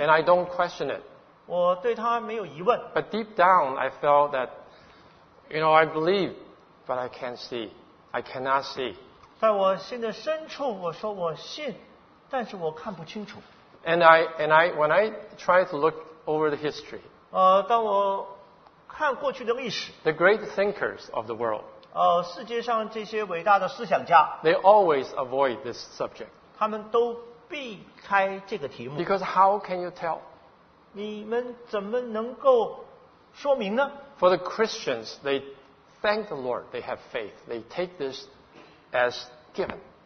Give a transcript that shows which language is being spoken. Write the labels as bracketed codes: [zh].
[en] And I don't question it. But deep down, I felt that, you know, I believe, but I can't see. I cannot see. [zh] 在我心的深处, 我说我信, [en] and when I tried to look over the history, [zh] 当我看过去的历史, [en] the great thinkers of the world, [zh] 世界上这些伟大的思想家, [en] they always avoid this subject. [zh] 他们都避开这个题目, [en] because how can you tell? [zh] 你们怎么能够说明呢? [en] For the Christians, they thank the Lord, they have faith, they take this as given.